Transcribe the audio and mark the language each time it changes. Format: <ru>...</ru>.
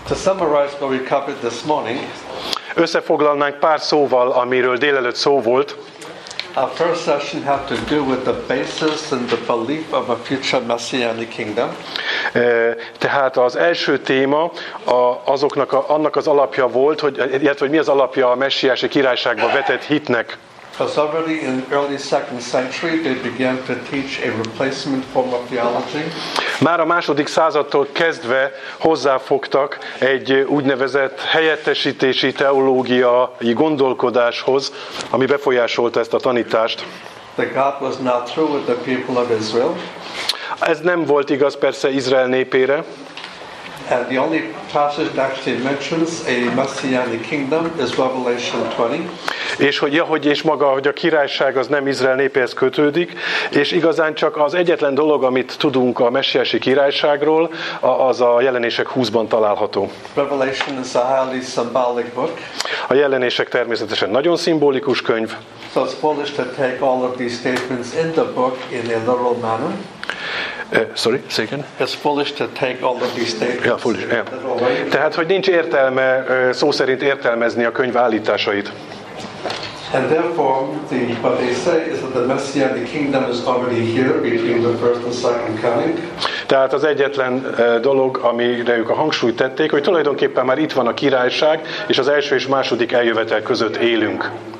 <en>To summarize what we covered this morning.</en> <hu>Összefoglalnánk pár szóval, amiről délelőtt szó volt.</hu> <en>Our first session had to do with the basis and the belief of a future messianic kingdom.</en> <hu>Tehát az első téma azoknak annak az alapja volt, hogy illetve hogy mi az alapja a messiási királyságba vetett hitnek.</hu> <en>Because already in early second century they began to teach a replacement form of theology.</en> <hu>Már a második századtól kezdve hozzáfogtak egy úgynevezett helyettesítési teológiai gondolkodáshoz, ami befolyásolta ezt a tanítást.</hu> <en>The God was not true with the people of Israel.</en> <hu>Ez nem volt igaz persze Izrael népére.</hu> <en>And the only passage that actually mentions a messianic kingdom is Revelation 20.</en> <hu>És hogy, ja, hogy és maga, hogy a királyság az nem Izrael népéhez kötődik, és igazán csak az egyetlen dolog, amit tudunk a messiási királyságról, az a Jelenések 20-ban található.</hu> <en>Revelation is a highly symbolic book.</en> <hu>A Jelenések természetesen nagyon szimbolikus könyv.</hu> <en>So it's foolish to take all of these statements in the book in a literal manner. It's foolish to take all of these statements. Yeah, foolish, yeah.</en> <hu>Tehát, hogy nincs értelme szó szerint értelmezni a könyv állításait.</hu> <en>And therefore, what they say is that the Messianic kingdom is already here between the first and second coming.</en> <hu>Tehát az egyetlen dolog, amire ők a hangsúlyt tették, hogy tulajdonképpen már itt van a királyság, és az első és második eljövetel között élünk.</hu>